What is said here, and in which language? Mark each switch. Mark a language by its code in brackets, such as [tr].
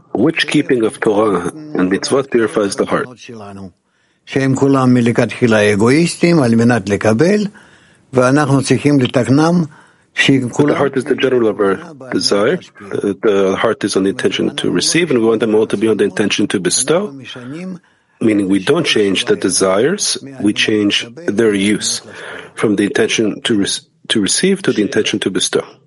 [en] which keeping of Torah and mitzvot purifies the heart? [he] שהם כולם מלכתחילה אגואיסטים על מנת לקבל, ואנחנו צריכים לתקנם. [en] The heart is the general of our desire. The heart is on the intention to receive, and we want them all to be on the intention to bestow. Meaning we don't change the desires, we change their use from the intention to receive to the intention to bestow.